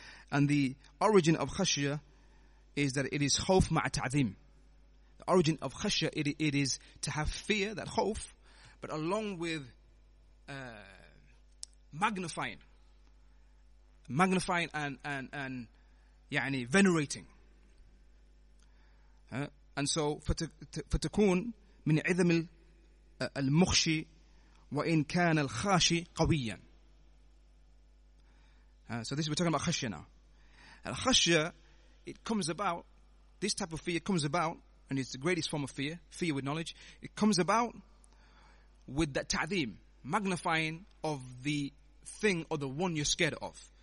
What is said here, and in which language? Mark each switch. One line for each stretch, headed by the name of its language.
English: And the origin of khashya is that it is khawf ma'a ta'zim. The origin of khashya, it is to have fear, that khawf, but along with magnifying and يعني venerating. And so
Arabic: فتكون من عظم المخشي وإن كان الخاشي قويا.
English: So this we're talking about khashya now. And khashya, it comes about, this type of fear comes about, and it's the greatest form of fear, fear with knowledge, it comes about with that ta'zim, magnifying of the thing or the one you're scared of.